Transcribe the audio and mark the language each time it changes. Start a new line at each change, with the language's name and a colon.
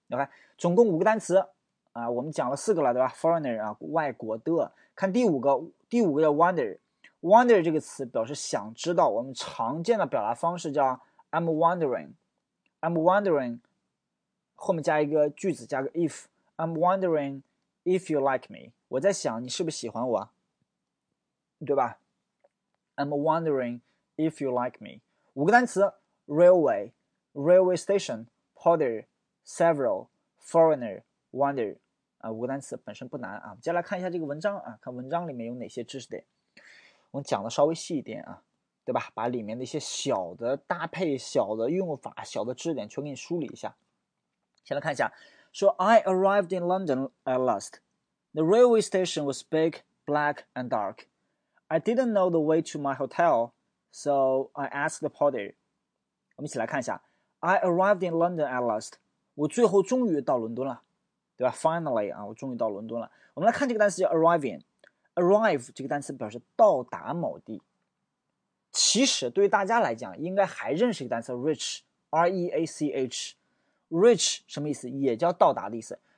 Chinese: OK， 总共5个单词啊，我们讲了4个了，对吧 ？Foreigner 啊，外国的。看第五个叫 wonder。wonder 这个词表示想知道，我们常见的表达方式叫
English: I'm wondering。 I'm wondering
Chinese: 后面加一个句子，加个 if。I'm wondering
English: If you like me，
Chinese: 我在想你是不是喜欢我，对吧？
English: I'm wondering if you like me。
Chinese: 五个单词：
English: railway，railway station，porter，several，foreigner，wonder。
Chinese: 啊，五个单词本身不难啊。接下来看一下这个文章啊，看文章里面有哪些知识点。我讲的稍微细一点啊，对吧？把里面的一些小的搭配、小的用法、小的知识点全给你梳理一下。先来看一下，说
English: I arrived in London at last。 The railway station was big, black, and dark. I didn't know the way to my hotel, so I asked the porter.
Chinese: 我们一起来看一下，
English: I arrived in London at last.
Chinese: 我最后终于到伦敦了，对吧？Finally 啊，我终于到伦敦了。我们来看这个单词叫 arriving。Arrive 这个单词表示到达某地。其实对于大家来讲，应该还认识一个单词 rich，R-E-A-C-H。 Rich 什么意思？也叫到达的意思。